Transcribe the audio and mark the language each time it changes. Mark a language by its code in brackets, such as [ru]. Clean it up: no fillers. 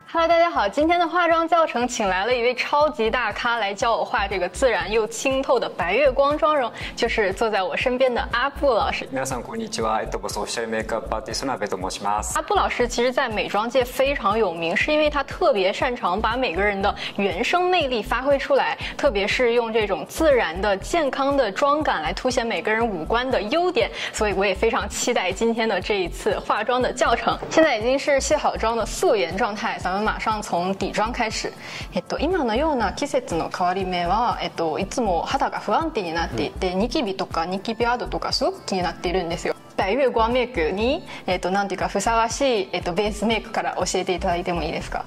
[zh] 哈喽，大家好，今天的化妆教程请来了一位超级大咖来教我画这个自然又清透的白月光妆容，就是坐在我身边的阿布老师。 [ja] 皆さんこんにちは、僕はオフィシャルメイクアップアーティストの阿部と申します。 [zh] 阿布老师其实在美妆界非常有名，是因为他特别擅长把每个人的原生魅力发挥出来，特别是用这种自然的、健康的妆感来凸显每个人五官的优点。所以我也非常期待今天的这一次化妆的教程。现在已经是卸好妆的素颜状态，咱们马上从底妆开始。 [ja] 今のような季節の変わり目は、いつも肌が不安定になっていて、ニキビとかニキビ跡とかすごく気になっているんですよ。白月光メイクに、なんていうかふさわしい、ベースメイクから教えていただいてもいいですか。